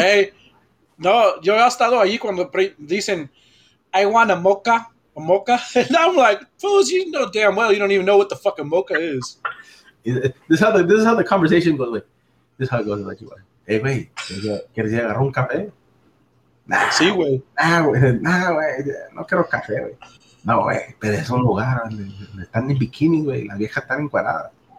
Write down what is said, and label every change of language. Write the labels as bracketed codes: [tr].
[es] Hey, no, yo he estado ahí cuando dicen, [en] I want a mocha. A mocha? And I'm like, fools, you know damn well you don't even know what the fuck a mocha is. This is how the conversation goes. Like, this is how it goes. Like, hey, wait, [es] ¿quieres llegar a un café? Nah, sí, güey. Nah, güey, no quiero café, güey. No, güey, pero es un lugar donde están en bikini, güey, la vieja está encuadrada.